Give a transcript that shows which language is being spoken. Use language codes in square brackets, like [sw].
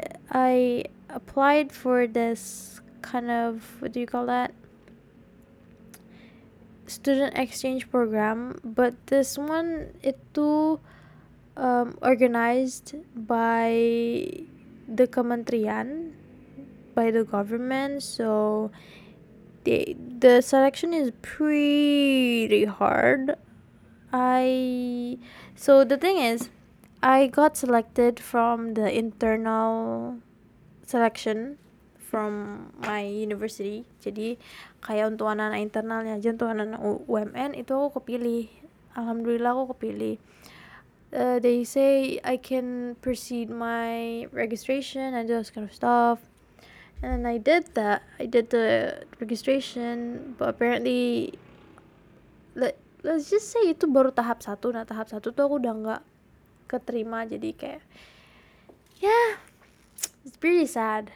[en] I applied for this kind of, what do you call that, student exchange program, but this one itu organized by the kementerian, by the government, so the selection is pretty hard. So the thing is, I got selected from the internal selection from my university. [id] Jadi kayak untuk anak-anak internalnya aja, untuk anak-anak UMN itu aku kepilih. Alhamdulillah aku kepilih. [en] They say I can proceed my registration and those kind of stuff. And then I did that. I did the registration, but apparently let's just say [id] itu baru tahap satu. Nah, tahap satu tuh aku udah enggak keterima, jadi kayak yeah. [en] It's pretty sad.